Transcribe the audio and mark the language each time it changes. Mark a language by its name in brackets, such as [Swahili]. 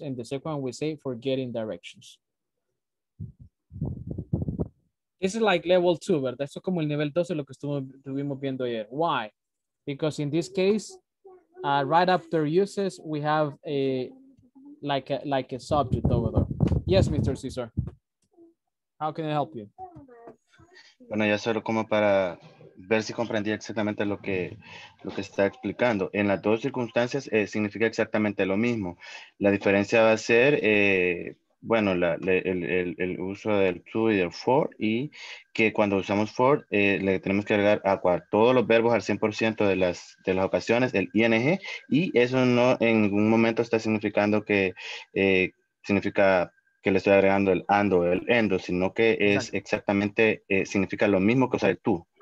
[English] In the second one, we say for getting directions. This is like level two, ¿verdad? [Spanish] Esto es como el nivel 12, lo que estuvimos viendo ayer. [English] Why? Because in this case, right after uses, we have a subject over there. Yes, Mr. Cesar. How can I help you? [Spanish] Bueno, ya solo como para ver si comprendí exactamente lo que está explicando. En las dos circunstancias significa exactamente lo mismo. La diferencia va a ser Bueno, el uso del to y del for, y que cuando usamos for, le tenemos que agregar a todos los verbos al 100% de las ocasiones, el ing, y eso no en ningún momento está significando que significa que le estoy agregando el ando o el endo, sino que es exactamente, significa lo mismo que usar el to.